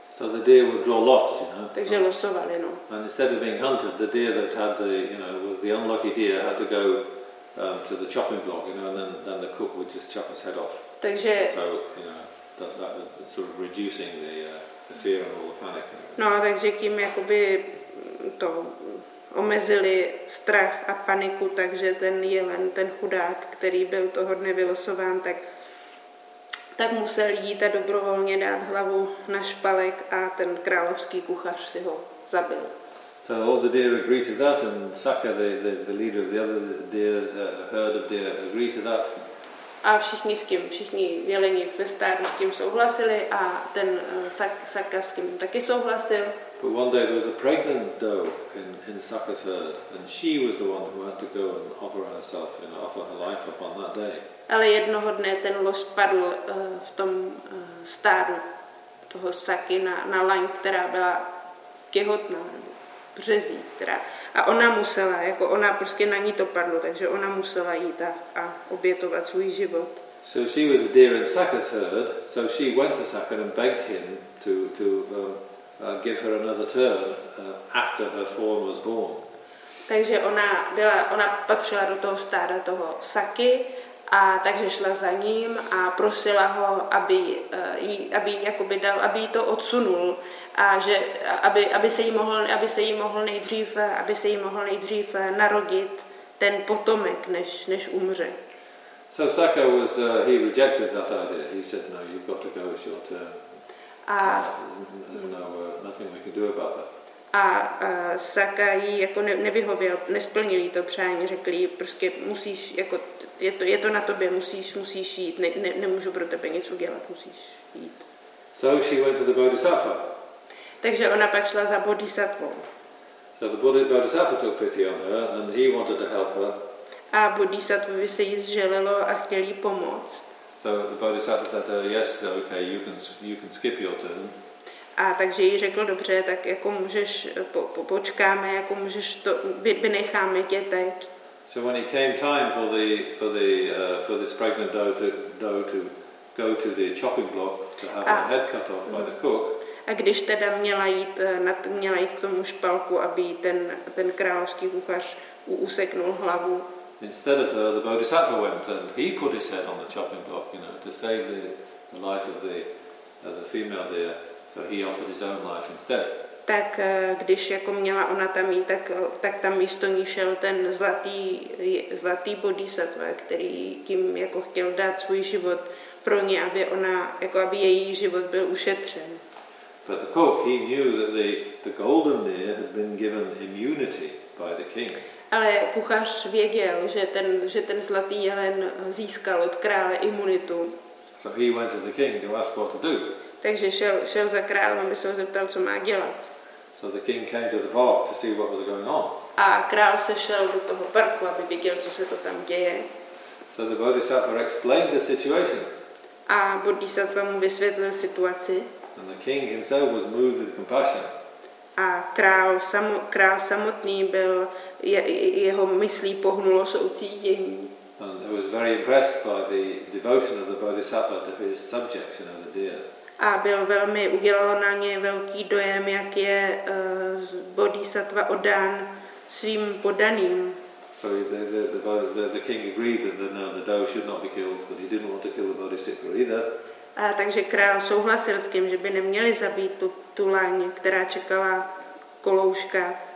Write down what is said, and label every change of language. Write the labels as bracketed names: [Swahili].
[English] So the deer would draw lots, you know. [Czech] Takže losovali, no. [English] And instead of being hunted, the deer that had the, you know, the unlucky deer had to go to the chopping block, you know, and then the cook would just chop his head off. [Czech] Takže. [English] So, you know, that sort of reducing the fear and all the panic. [Czech] No, takže tím jakoby to omezili strach a paniku, takže ten jelen, ten chudák, který byl toho dne vylosován, tak musel jít a dobrovolně dát hlavu na špalek a ten královský kuchař si ho zabil. [English] So all the deer agreed to that and Saka, the leader of the other deer, herd of deer, agreed to that. [Czech] A všichni s tím, všichni jeleni ve stádu s tím souhlasili a ten Saka s tím taky souhlasil. [English] But one day there was a pregnant doe in Saka's herd and she was the one who had to go and offer herself, you know, offer her life upon that day. [Czech] Ale jednoho dne ten los padl v tom stádu toho Saky na laň, která byla těhotná, březí, teda. A ona musela, jako ona prostě na ní to padlo, takže ona musela jít a obětovat svůj život. [English] So she was a deer in Saka's herd, so she went to Saka and begged him to give her another turn after her fawn was born. [Czech] Takže ona patřila do toho stáda toho Saky, a takže šla za ním a prosila ho, aby jí to odsunul a že aby se jí mohl nejdřív narodit ten potomek, než umře. [English] So Saka was he rejected that idea. He said no, you've got to go, it's your turn. There's nothing we can do about that. [Czech] A Saka jí jako nevyhověl, nesplnil jí to přání, řekl jí, prostě musíš, jako, je to na tobě, musíš jít, nemůžu pro tebe nic udělat, musíš jít. [English] So she went to the Bodhisattva. [Czech] Takže ona pak šla za Bodhisattvou. [English] So the Bodhisattva took pity on her and he wanted to help her. [Czech] A Bodhisattva se jí zželelo a chtěl jí pomoct. [English] So the Bodhisattva said, yes, okay, you can skip your turn. [Czech] A takže jí řekl, dobře, tak jako můžeš, počkáme, jako můžeš to, vynecháme tě teď. [English] So when it came time for this pregnant doe to go to the chopping block to have her head cut off by the cook. [Czech] A když teda měla jít k tomu špalku, aby ten královský kuchař useknul hlavu. [English] Instead of her, the Bodhisattva went and he put his head on the chopping block, you know, to save the life of the female deer. So he offered his own life instead. [Czech] Tak když jako měla ona tam jít, tak tam místo ní šel ten zlatý bodhisattva, který tím jako chtěl dát svůj život pro ní, aby ona jako aby její život byl ušetřen. [English] But the cook, he knew that the golden deer had been given immunity by the king. [Czech] Ale kuchař věděl, že ten zlatý jelen získal od krále imunitu. [English] So he went to the king to ask what to do. [Czech] Takže šel za králem, aby se ho zeptal, co má dělat. [English] So the king came to the park to see what was going on. [Czech] A král se šel do toho parku, aby viděl, co se to tam děje. [English] So the Bodhisattva explained the situation. [Czech] A Bodhisattva mu vysvětlil situaci. [English] And the king himself was moved with compassion. [Czech] A král samotný byl jeho myslí pohnulo soucítění. [English] And he was very impressed by the devotion of the Bodhisattva to his subjects, you know, the deer. [Czech] A byl velmi, udělalo na ně velký dojem, jak je bodhisattva oddán svým podaným. [English] So the king agreed that the doe should not be killed, but he didn't want to kill the bodhisattva either. [Czech] A takže král souhlasil s tím, že by neměli zabít tu laň, která čekala kolouška.